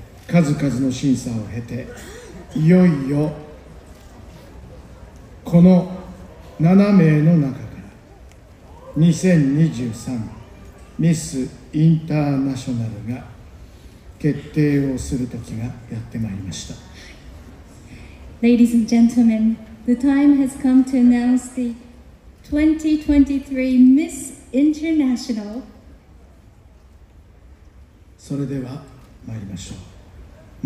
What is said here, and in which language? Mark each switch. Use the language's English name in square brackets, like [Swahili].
[Japanese] 数々の審査を経て、いよいよこの7名の中から2023ミス・インターナショナルが決定をする時がやってまいりました。 [English] Ladies and gentlemen, the time has come to announce the 2023 Miss International。 [Japanese] それでは参りましょう。